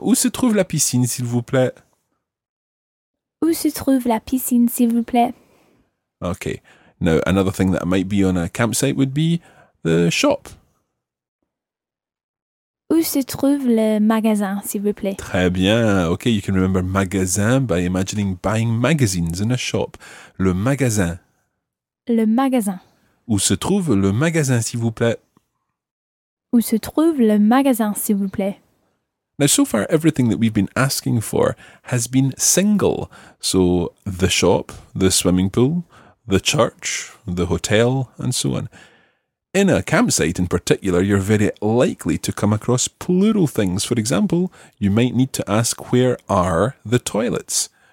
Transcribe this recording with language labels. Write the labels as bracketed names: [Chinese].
[French] Où se trouve la piscine, s'il vous plaît? Où se trouve la piscine, s'il vous plaît? [English] Okay, now, another thing that might be on a campsite would be the shop. [French] Où se trouve le magasin, s'il vous plaît? Très bien. [English] Okay, you can remember magasin by imagining buying magazines in a shop. [French] Le magasin. Le magasin. Où se trouve le magasin, s'il vous plaît? Où se trouve le magasin, s'il vous plaît? [English] Now, so far, everything that we've been asking for has been single. So the shop, the swimming pool, the church, the hotel, and so on. In a campsite in particular, you're very likely to come across plural things. For example, you might need to ask, where are the toilets?